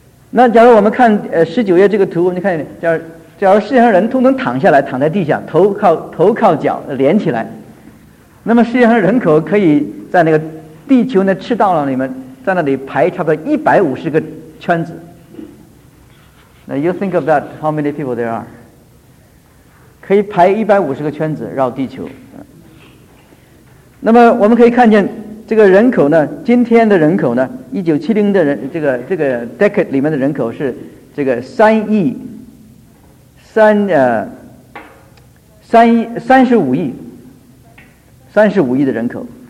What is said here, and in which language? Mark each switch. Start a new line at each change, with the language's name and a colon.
Chinese: 那假如我们看十九页这个图，我们就看，假如世界上人通通躺下来，躺在地下，头靠脚连起来，那么世界上人口可以在那个地球的赤道上里面，在那里排差不多150个圈子。
English: Now you think of that, how many people there are?
Chinese: 可以排150个圈子绕地球。那么我们可以看见这个人口呢，今天的人口呢，1970的人，这个 decade 里面的人口是这个三十五亿的人口。